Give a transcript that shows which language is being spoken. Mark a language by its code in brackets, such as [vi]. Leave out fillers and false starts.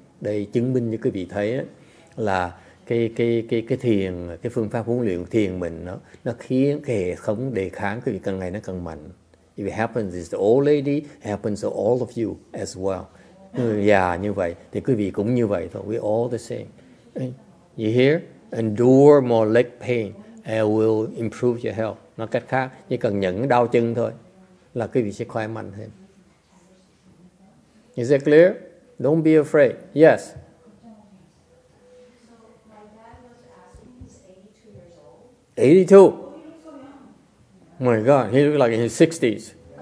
[vi] Đây chứng minh cho quý vị thấy ấy, là cái thiền, cái phương pháp huấn luyện thiền mình nó khiến cái hệ thống đề kháng quý vị càng ngày nó càng mạnh. [en] If it happens to the old lady, it happens to all of you as well. [vi] Người già như vậy thì quý vị cũng như vậy thôi. [en] We all the same. You hear? Endure more leg pain and will improve your health. [vi] Nói cách khác, chỉ cần nhận đau chân thôi. Là quý vị sẽ khỏe mạnh thêm. [en] Is that clear? Don't be afraid. Yes. So, my dad was asking, he's 82 years old. 82? Oh, my God, he looks like in his 60s.